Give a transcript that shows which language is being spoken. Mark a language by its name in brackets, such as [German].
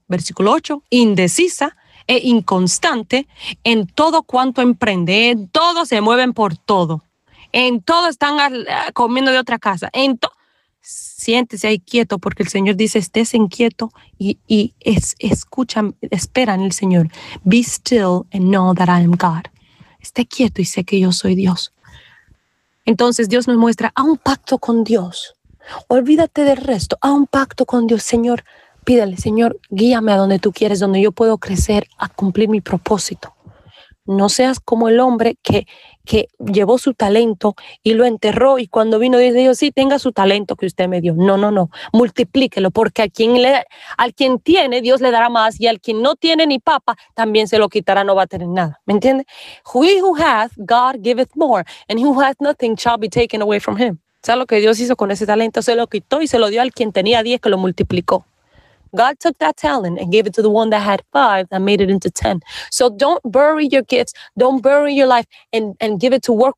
[Spanish] Versículo 8, indecisa e inconstante en todo cuanto emprende. En todo se mueven por todo. En todo están comiendo de otra casa. Siéntese ahí quieto porque el Señor dice, estés inquieto y escucha, espera en el Señor. [English] Be still and know that I am God. [Spanish] Esté quieto y sé que yo soy Dios. Entonces Dios nos muestra, haz un pacto con Dios. Olvídate del resto, haz un pacto con Dios. Señor, pídele, Señor, guíame a donde tú quieres, donde yo puedo crecer a cumplir mi propósito. No seas como el hombre que llevó su talento y lo enterró y cuando vino dijo, sí, tenga su talento que usted me dio. No, multiplíquelo, porque al quien tiene Dios le dará más y al quien no tiene ni papa también se lo quitará, no va a tener nada. ¿Me entiende? [English] He who hath, God giveth more, and he who hath nothing shall be taken away from him. [Spanish] ¿Sabes lo que Dios hizo con ese talento? Se lo quitó y se lo dio al quien tenía 10, que lo multiplicó. [English] God took that talent and gave it to the one that had 5 that made it into 10. So don't bury your gifts. Don't bury your life and give it to work.